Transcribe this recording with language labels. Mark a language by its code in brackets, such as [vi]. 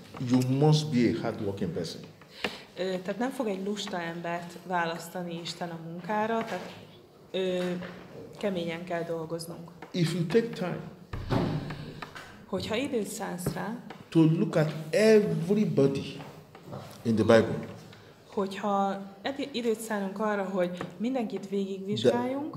[en] You must be a hard-working person. [hu] Tehát nem fog egy lusta embert választani Isten a munkára, tehát keményen kell dolgoznunk. [en] If you take time, [hu] hogyha időt szánsz rá, [en] to look at everybody in the Bible. [hu] Hogyha időt szánunk arra, hogy mindenkit végigvizsgáljunk,